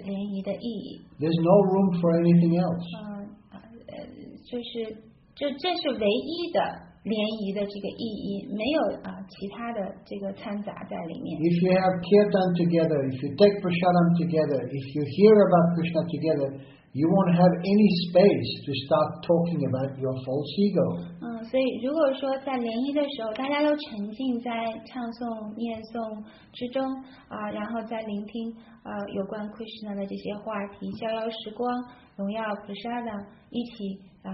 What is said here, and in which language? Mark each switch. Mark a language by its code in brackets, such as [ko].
[zh] 它的本身的这个意义就是在于一起去念诵、唱诵，一起去这个学习经典，一起去聆听，一起去荣耀菩萨的，一起去做奉献服务，这才是联谊的意义。 [en] There's no room for anything else. [zh] 就是这是唯一的联谊的这个意义，没有其他的这个掺杂在里面。 [en] If you have kirtan together, if you take prasadam together, if you hear about Krishna together, you won't have any space to start talking about your false ego. [zh] 所以如果说在联谊的时候，大家都沉浸在唱诵、念诵之中，然后在聆听有关 Krishna 的这些话题，逍遥时光，荣耀菩萨的一起。